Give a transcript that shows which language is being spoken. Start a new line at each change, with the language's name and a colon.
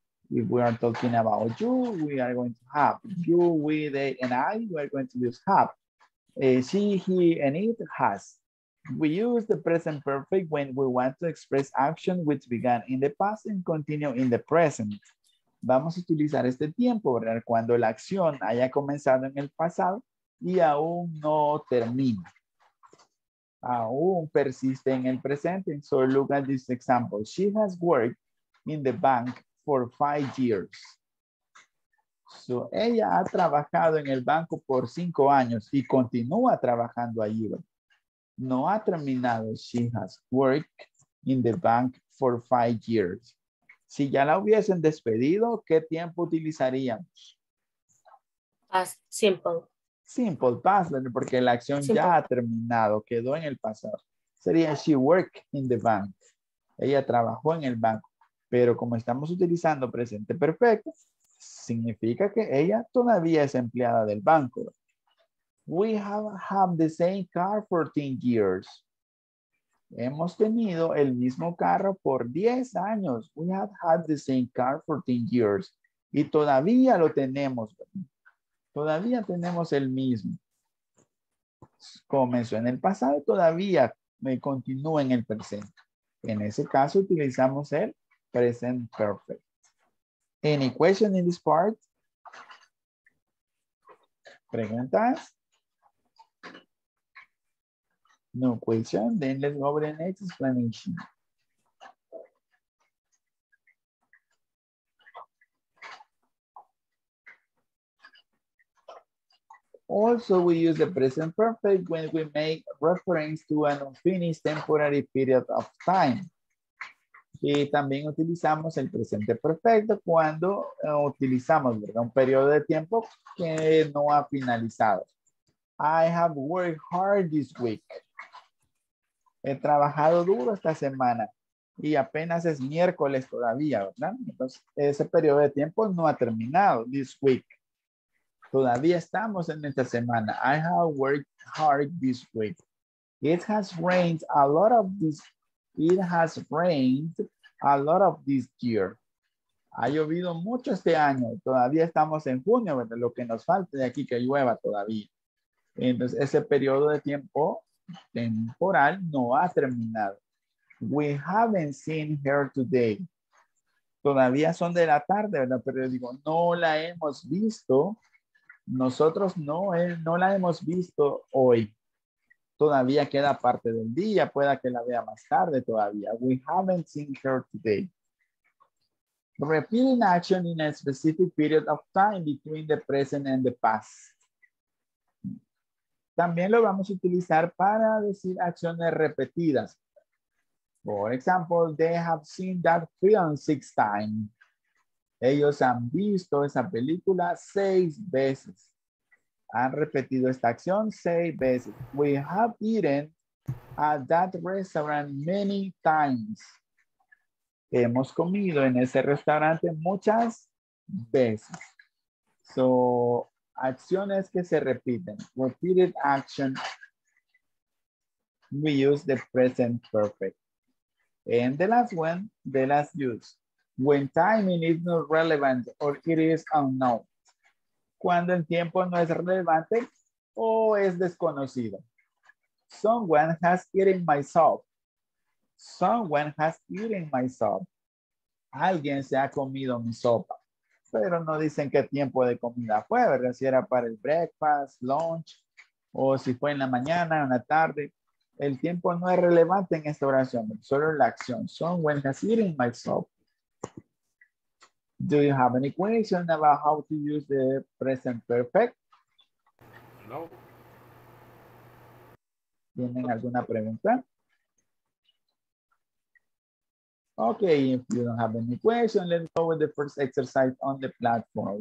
English: If we are talking about you, we are going to have. You, we, they, and I, we are going to use have. She, he, and it has. We use the present perfect when we want to express action which began in the past and continue in the present.
Spanish: Vamos a utilizar este tiempo, ¿verdad? Cuando la acción haya comenzado en el pasado y aún no termina. Aún persiste en el presente.
English: So look at this example. She has worked in the bank for 5 years.
Spanish: So ella ha trabajado en el banco por 5 años y continúa trabajando allí. No ha terminado.
English: She has worked in the bank for 5 years.
Spanish: Si ya la hubiesen despedido, ¿qué tiempo utilizaríamos?
English: Past simple.
Spanish: Simple past, porque la acción simple ya ha terminado, quedó en el pasado. Sería
English: she worked in the bank.
Spanish: Ella trabajó en el banco. Pero como estamos utilizando presente perfecto, significa que ella todavía es empleada del banco.
English: We have had the same car for 10 years.
Spanish: Hemos tenido el mismo carro por 10 años.
English: We have had the same car for 10 years.
Spanish: Y todavía lo tenemos. Todavía tenemos el mismo. Comenzó en el pasado, todavía me continúa en el presente. En ese caso utilizamos el present perfect.
English: Any question in this part?
Spanish: ¿Preguntas?
English: No question, then let's go over the next explanation. Also, we use the present perfect when we make reference to an unfinished temporary period of time.
Spanish: Y también utilizamos el presente perfecto cuando utilizamos, ¿verdad?, un periodo de tiempo que no ha finalizado.
English: I have worked hard this week.
Spanish: He trabajado duro esta semana y apenas es miércoles todavía, ¿verdad? Entonces, ese periodo de tiempo no ha terminado,
English: this week.
Spanish: Todavía estamos en esta semana.
English: I have worked hard this week. It has rained a lot of this year.
Spanish: Ha llovido mucho este año. Todavía estamos en junio, ¿verdad? Lo que nos falta de aquí que llueva todavía. Entonces, ese periodo de tiempo temporal no ha terminado.
English: We haven't seen her today.
Spanish: Todavía son de la tarde, ¿verdad? Pero digo, no la hemos visto. Nosotros no la hemos visto hoy. Todavía queda parte del día. Pueda que la vea más tarde todavía.
English: We haven't seen her today. Repeat an action in a specific period of time between the present and the past.
Spanish: También lo vamos a utilizar para decir acciones repetidas.
English: For example, they have seen that film 6 times.
Spanish: Ellos han visto esa película 6 veces. Han repetido esta acción 6 veces.
English: We have eaten at that restaurant many times.
Spanish: Hemos comido en ese restaurante muchas veces. So, acciones que se repiten.
English: Repeated action. We use the present perfect. And the last one, the last use. When timing is not relevant or it is unknown.
Spanish: Cuando el tiempo no es relevante o es desconocido.
English: Someone has eaten my soup. Someone has eaten my soup.
Spanish: Alguien se ha comido mi sopa. Pero no dicen qué tiempo de comida fue, ¿verdad? Si era para el breakfast, lunch, o si fue en la mañana, en la tarde. El tiempo no es relevante en esta oración, solo la acción.
English: Someone has eaten my soup. Do you have any question about how to use the present perfect? No.
Spanish: ¿Tienen alguna pregunta?
English: Okay, if you don't have any question, let's go with the first exercise on the platform.